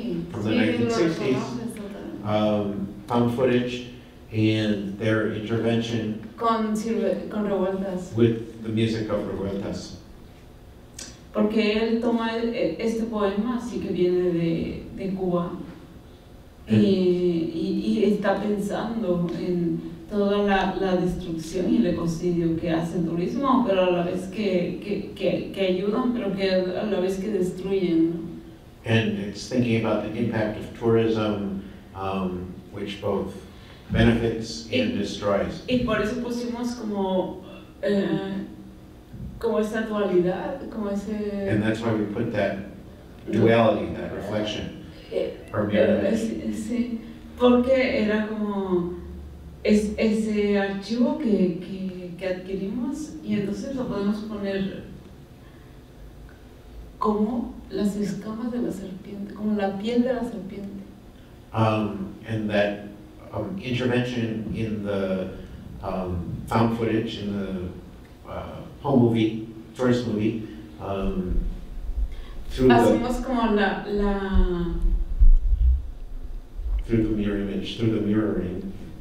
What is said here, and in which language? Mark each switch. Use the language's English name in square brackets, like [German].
[English] from the 1960s, found footage, and their intervention [Spanish] con Revueltas. [English] With the music of Revueltas. [Spanish] Porque él toma este poema, así que viene de Cuba, y está pensando en toda la destrucción y el ecocidio que hace el turismo, pero a la vez que ayudan, pero que a la vez que destruyen. [English] And it's thinking about the impact of tourism, which both benefits and destroys. [Spanish] Y por eso pusimos como esa dualidad, como ese. [English] And that's why we put that duality, that reflection, or mirror. [Spanish] Sí, porque era como ese archivo que adquirimos, y entonces lo podemos poner como las escamas de la serpiente, como la piel de la serpiente. [English] And that intervention in the found footage in the home movie, first movie, through the mirror image, through the mirroring.